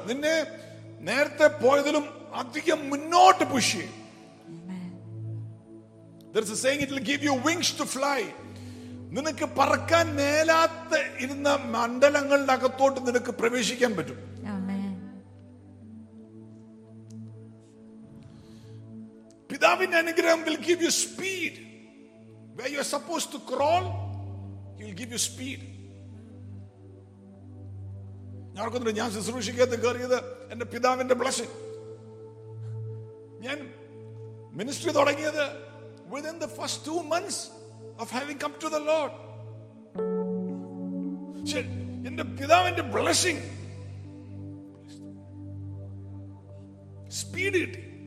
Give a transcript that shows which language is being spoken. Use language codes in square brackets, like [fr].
[ml] Ninne നേരത്തെ പോയതിലും അധികം മുന്നോട്ട് പുഷ് ചെയ്യും. [en] There's a saying, it will give you wings to fly. [ml] നിനക്ക് പറക്കാൻ മേലാത്ത ഇരുന്ന മണ്ഡലങ്ങളുടെ അകത്തോട്ട് നിനക്ക് പ്രവേശിക്കാൻ പറ്റും. പിതാവിന്റെ അനുഗ്രഹം [en] will give you speed. Where you are supposed to crawl, he will give you speed. [ml] ഞാൻ ശുശ്രൂഷിക്കാൻ കയറിയത് എന്റെ പിതാവിന്റെ ബ്ലെസ്സിംഗ്. ഞാൻ മിനിസ്ട്രി തുടങ്ങിയത് [en] Within the first 2 months of having come to the Lord. [ml] എന്റെ പിതാവിന്റെ ബ്ലെസ്സിംഗ് സ്പീഡ് കിട്ടി.